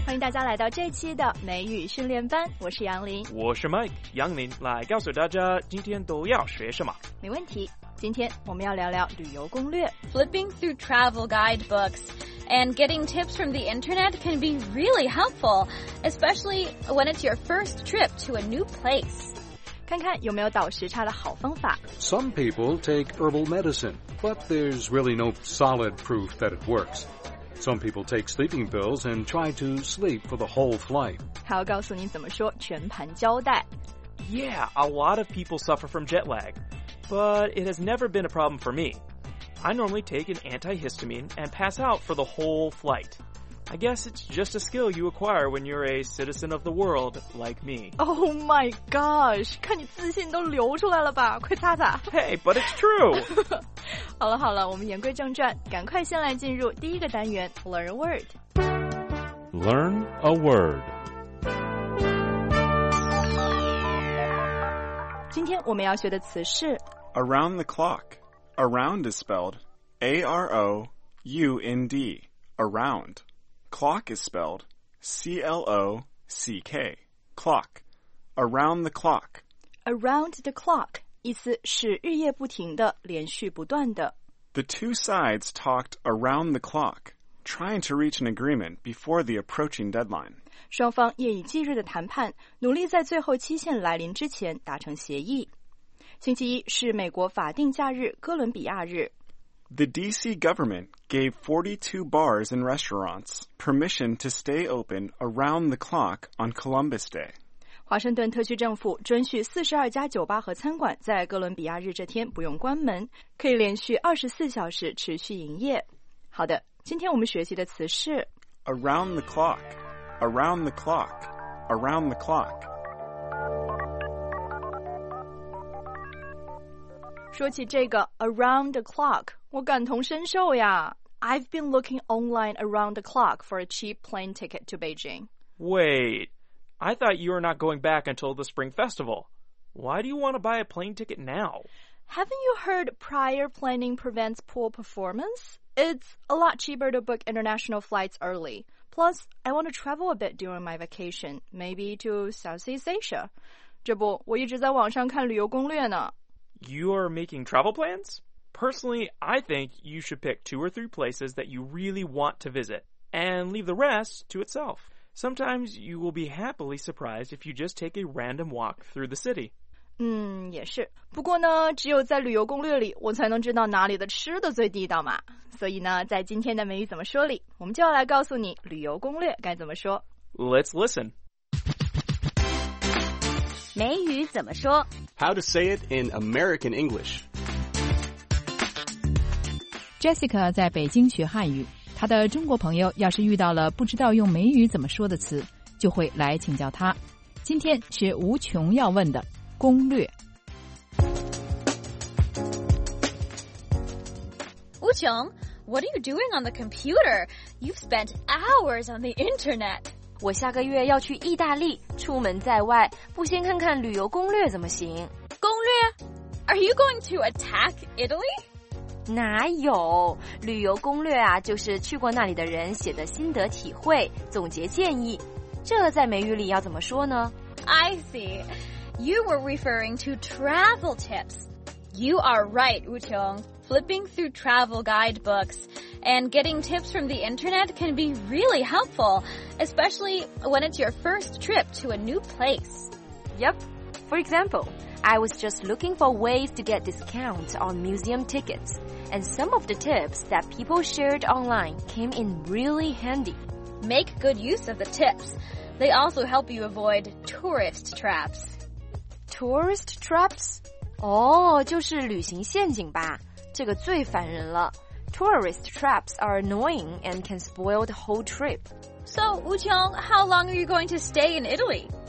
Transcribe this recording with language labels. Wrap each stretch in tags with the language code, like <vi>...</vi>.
<zh>家来到这期的美语训练班，我是杨林，我是 Mike， 杨林来告诉大家今天都要学什么。没问题，今天我们要聊聊旅游攻略。</zh> <en>Flipping through travel guidebooks and getting tips from the internet can be really helpful, especially when it's your first trip to a new place.</en> <zh>看看有没有倒时差的好方法。</zh> <en>Some people take herbal medicine, but there's really no solid proof that it works. Some people take sleeping pills and try to sleep for the whole flight.</en> <zh>还要告诉你怎么说全盘交代。</zh> <en>Yeah, a lot of people suffer from jet lag, but it has never been a problem for me. I normally take an antihistamine and pass out for the whole flight. I guess it's just a skill you acquire when you're a citizen of the world, like me. Oh my gosh,</en> <zh>看你自信都流出来了吧，快擦擦。</zh> <en>Hey, but it's true.</en> <zh>好了好了，我们言归正传，赶快先来进入第一个单元</zh> <en>Learn a Word. Learn a Word.</en> <zh>今天我们要学的词是</zh> <en>Around the clock. Around is spelled A-R-O-U-N-D. Around. Clock is spelled C-L-O-C-K, clock, around the clock.</en> <zh>Around the clock, 意思是日夜不停的，连续不断的。</zh> <en>The two sides talked around the clock, trying to reach an agreement before the approaching deadline.</en> <zh>双方夜以继日的谈判，努力在最后期限来临之前达成协议。星期一是美国法定假日哥伦比亚日。</zh> <en>The D.C. government gave 42 bars and restaurants permission to stay open around the clock on Columbus Day.</en> <zh>华盛顿特区政府准许42家酒吧和餐馆在哥伦比亚日这天不用关门，可以连续24小时持续营业。好的，今天我们学习的词是</zh> <en>Around the clock, around the clock, around the clock.</en> <zh>说起这个 around the clock, 我感同身受呀。</zh> <en>I've been looking online around the clock for a cheap plane ticket to Beijing. Wait, I thought you were not going back until the Spring Festival. Why do you want to buy a plane ticket now? Haven't you heard prior planning prevents poor performance? It's a lot cheaper to book international flights early. Plus, I want to travel a bit during my vacation, maybe to Southeast Asia.</en> <zh>这不，我一直在网上看旅游攻略呢。</zh> <en>You are making travel plans? Personally, I think you should pick two or three places that you really want to visit, and leave the rest to itself. Sometimes you will be happily surprised if you just take a random walk through the city.</en> <zh>也是。不过呢，只有在旅游攻略里，我才能知道哪里的吃的最地道嘛。所以呢，在今天的美语怎么说里，我们就要来告诉你旅游攻略该怎么说。</zh> <en>Let's listen.</en> <zh>美语怎么说</zh> <en>How to say it in American English.</en> <zh>Jessica 在北京学汉语，她的中国朋友要是遇到了不知道用美语怎么说的词，就会来请教她。今天是无穷要问的攻略。</zh> <en>无穷 What are you doing on the computer? You've spent hours on the internet.</en> <zh>我下个月要去意大利，出门在外，不先看看旅游攻略怎么行？</zh> <en>攻略？Are you going to attack Italy?</en> <zh>哪有？旅游攻略啊，就是去过那里的人写的心得体会，总结建议。这在美语里要怎么说呢？</zh> <en>I see. You were referring to travel tips. You are right, Wu Qiong. Flipping through travel guidebooks. And getting tips from the internet can be really helpful, especially when it's your first trip to a new place. Yep. For example, I was just looking for ways to get discounts on museum tickets, and some of the tips that people shared online came in really handy. Make good use of the tips. They also help you avoid tourist traps. Tourist traps?</en> <zh>Oh, 就是旅行陷阱吧，这个最烦人了。</zh> <en>Tourist traps are annoying and can spoil the whole trip. So, Wu Qiong, how long are you going to stay in Italy?</en>